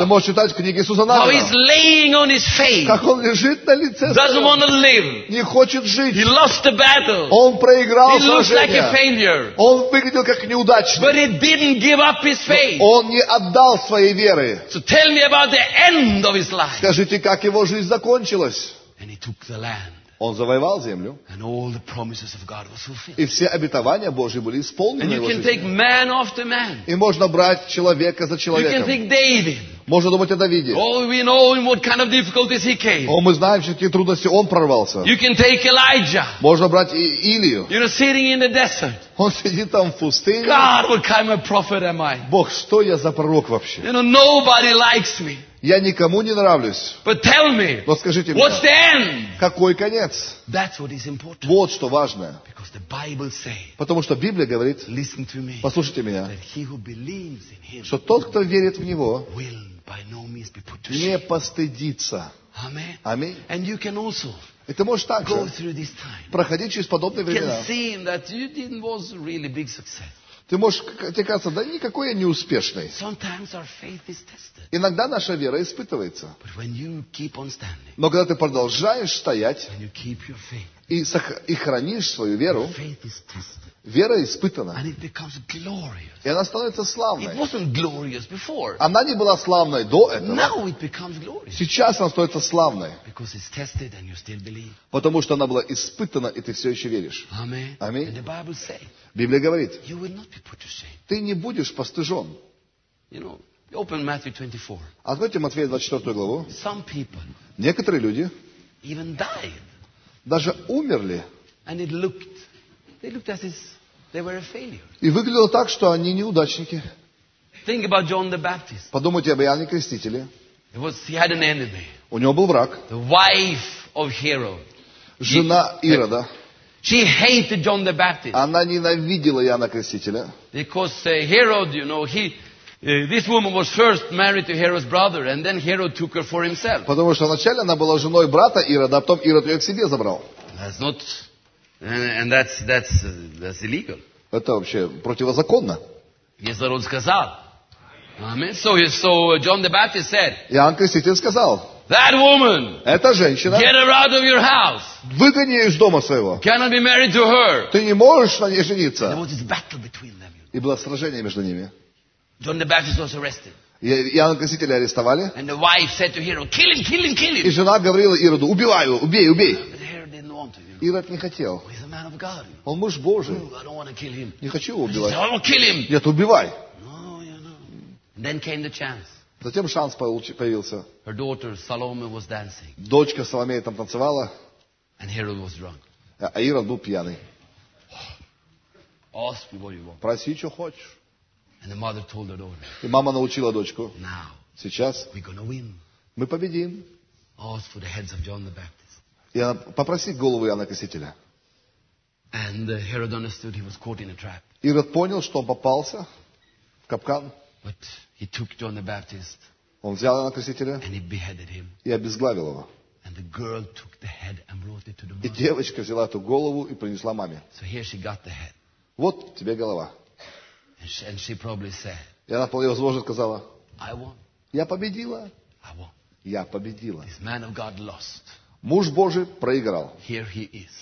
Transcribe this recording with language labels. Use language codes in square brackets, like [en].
[ru] ты можешь читать в книге Иисуса Навина. [en] How he's laying on his face. [ru] Как он лежит на лице. [en] Doesn't want to live. [ru] Не хочет жить. [en] He lost the battle. [ru] Он проиграл сражение. [en] He looks like a failure. [ru] Он выглядел как неудачник. [en] But he didn't give up his faith. [ru] Он не отдал своей веры. [en] So tell me about the end of his life. [ru] Скажите, как его жизнь закончилась? [en] And he took the land. [ru] Он завоевал землю. [en] And all the promises of God were fulfilled. [ru] И все обетования Божьи были исполнены. [en] And you can take man after man. [ru] И можно брать человека за человеком. [en] You can take David. [ru] Можно думать о Давиде. [en] Oh, we know in what kind of difficulties he came. [ru] О, мы знаем, в какие трудности он прорвался. [en] You can take Elijah. [ru] Можно брать и Илию. [en] You're sitting in the desert. [ru] Он сидит там в пустыне. [en] God, what kind of prophet am I? [ru] Бог, что я за пророк вообще? [en] You know, nobody likes me. [ru] Я никому не нравлюсь. [en] Me, [ru] но скажите мне, [en] what's the end? [ru] Какой конец? [en] That's what is important. [ru] Вот что важное. [en] Because the Bible say, [ru] потому что Библия говорит, [en] listen to me, [ru] послушайте меня, [en] that he who believes in him, [ru] что тот, кто верит в Него, [en] will by no means be put to shame. [ru] Не постыдится. Аминь. [en] And you can also [ru] и ты можешь также проходить через подобные времена. [en] You can see that you didn't was really big success. [ru] Ты можешь тебе казаться, да никакой я не успешный. [en] Sometimes our faith is tested. [ru] Иногда наша вера испытывается. [en] But when you keep on standing, [ru] но когда ты продолжаешь стоять [en] and you keep your faith, [ru] и хранишь свою веру, [en] faith is tested, [ru] вера испытана. [en] And it becomes glorious. [ru] И она становится славной. [en] It wasn't glorious before. [ru] Она не была славной до этого. [en] Now it becomes glorious. [ru] Сейчас она становится славной. [en] Because it's tested and you still believe. [ru] Потому что она была испытана, и ты все еще веришь. Аминь. Аминь. [en] And the Bible say, [ru] Библия говорит, [en] you will not be put to shame. [ru] Ты не будешь постыжен. [en] You know, open Matthew 24. [ru] Откройте Матфея 24 главу. [en] Some people [ru] некоторые люди [en] even died. [ru] Даже умерли. [en] And it looked, they looked as if they were a failure. [ru] И выглядело так, что они неудачники. [en] Think about John the Baptist. [ru] Подумайте об Иоанне Крестителе. [en] It was, he had an enemy. [ru] У него был враг. [en] The wife of Herod. [ru] Жена Ирода. [en] She hated John the Baptist. [ru] Она ненавидела Иоанна Крестителя. [en] Because Herod, you know, this woman was first married to Herod's brother, and then Herod took her for himself. [ru] Потому что вначале она была женой брата Ирода, а потом Ирод ее к себе забрал. [en] That's not, and that's illegal. [ru] Это вообще противозаконно. Иисус сказал. [en] Amen. So John the Baptist said. [ru] Иоанн Креститель сказал. [en] That woman, [ru] эта женщина, [en] get her out of your house. [ru] Выгони ее из дома своего. [en] Cannot be married to her. [ru] Ты не можешь на ней жениться. [en] There was this battle between them. [ru] И было сражение между ними. [en] John the Baptist was arrested. [ru] Иоанна Крестителя арестовали. [en] And the wife said to Herod, kill him, kill him, kill him. [ru] И жена говорила Ироду, убивай его, убей, убей. [en] But Herod didn't want to. [ru] Ирод не хотел. [en] He's a man of God. [ru] Он муж Божий. [en] I don't want to kill him. [ru] Не хочу его убивать. [en] He said, I will kill him. [ru] Нет, убивай. [en] No, you know. And then came the chance. [ru] Затем шанс появился. [en] Her daughter Salome was dancing. [ru] Дочка Соломея там танцевала. [en] And Herod was drunk. [ru] А Ирод был пьяный. [en] Ask me what you want. [ru] Проси, что хочешь. [en] And the mother told her daughter, [ru] и мама научила дочку. [en] Now, [ru] сейчас [en] we're gonna win. [ru] Мы победим. [en] Ask for the heads of John the Baptist. [ru] И она попроси голову Иоанна Крестителя. [en] And Herod understood he was caught in a trap. [ru] Ирод понял, что он попался в капкан. [en] But he took John the Baptist. [ru] Он взял Иоанна Крестителя. [en] And he beheaded him. [ru] И обезглавил его. [en] And the girl took the head and brought it to the mother. [ru] И девочка взяла эту голову и принесла маме. [en] So here she got the head. [ru] Вот тебе голова. [en] And she probably said, [ru] и она вполне возможно сказала, [en] I won. [ru] Я победила. [en] I won. [ru] Я победила. [en] This man of God lost. [ru] Муж Божий проиграл. [en] Here he is.